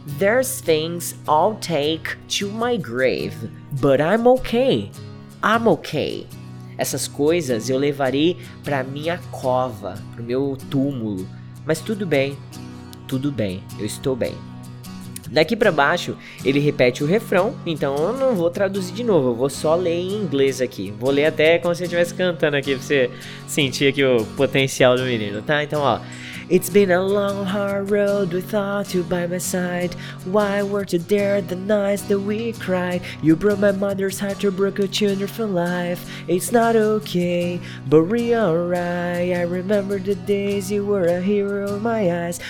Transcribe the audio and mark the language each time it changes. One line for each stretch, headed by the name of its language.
English: There's things I'll take to my grave, but I'm okay. I'm okay.
Portuguese: Essas coisas eu levarei pra minha cova, pro meu túmulo. Mas tudo bem. Tudo bem. Eu estou bem. Daqui pra baixo, ele repete o refrão. Então eu não vou traduzir de novo. Eu vou só ler em inglês aqui. Vou ler até como se eu estivesse cantando aqui, pra você sentir aqui o potencial do menino, tá? Então, ó.
English: It's been a long, hard road without you by my side. Why weren't you there the nights that we cried? You broke my mother's heart, you broke her children for life. It's not okay, but we're alright. I remember the days you were a hero in my eyes.